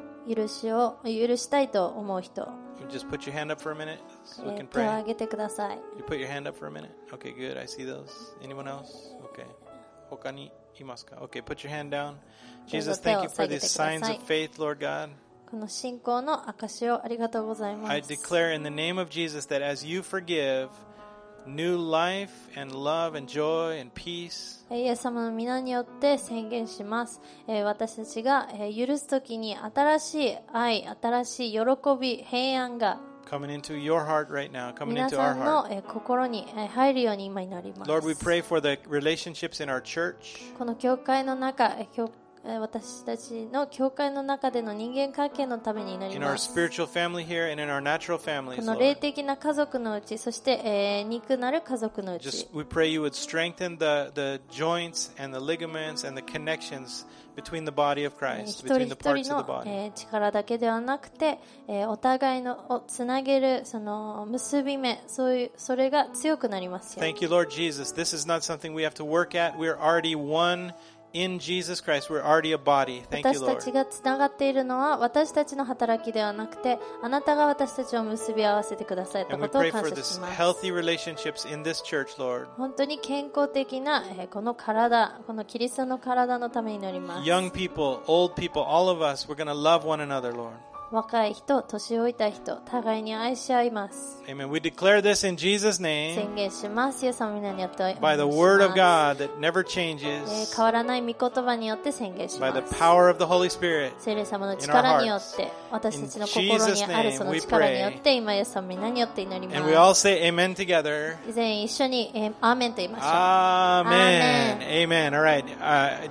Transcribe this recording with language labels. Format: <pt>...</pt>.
<ja>許したいと思う人。</ja> <en>You just put your hand up for a minute, so we can pray.</en> <ja>手を挙げてください。</ja> <en>You put your hand up for a minute. Okay, good. I see those. Anyone else? Okay.</en> <ja>他にいますか?</ja> <en>Okay, put your hand down. Jesus, thank you for these signs of faith, Lord God.</en> <ja>この信仰の証をありがとうございます。</ja> <en>I declare in the name of Jesus that as you forgive. New life and love and joy and peace.</en> <ja>イエス様の名によって宣言します。私たちが許すときに新しい愛、新しい喜び、平安が</ja> <en>coming into your heart right now, coming into our heart.</en> <ja>皆さんの心に入るように今になります。</ja> <en>Lord, we pray for the relationships in our church.</en> <ja>この教会の中、私たちの教会の中での人間関係のためになります。この霊的な家族のうち、そして、肉なる家族のうち。</ja> <en>Just, we pray you would strengthen the joints and the ligaments and the connections between the body of Christ, between the parts of the body.</en> <ja>一人一人の力だけではなくて、お互いのをつなげるその結び目、それが強くなりますよ。</ja> <en>Thank you, Lord Jesus. This is not something we have to work at. We are already one. In Jesus Christ, we're already a body. Thank you, Lord.</en> <ja>私たちがつながっているのは私たちの働きではなくて、あなたが私たちを結び合わせてくださったことを感謝します。</ja> <en>And we pray for this healthy relationships in this church, Lord.</en> <ja>本当に健康的なこの体、このキリストの体のためになります。</ja> <en>Young people, old people, all of us, we're going to love one another, Lord.</en> <ja>若い人、年老いた人、互いに愛し合います。</ja> <en>Amen. We declare this in Jesus' name.</en> <ja>宣言します。イエス様の名によってお願いします。</ja> <en>By the word of God that never changes.</en> <ja>変わらない御言葉によって宣言します。</ja> <en>By the power of the Holy Spirit.</en> <ja>聖霊様の力によって、私たちの心にあるその力によって、今イエス様の名によって祈ります。</ja> <en>And we all say Amen together.</en> <ja>全員一緒に、アーメンと言いましょう。</ja> <en>Amen. Amen. All right.</en>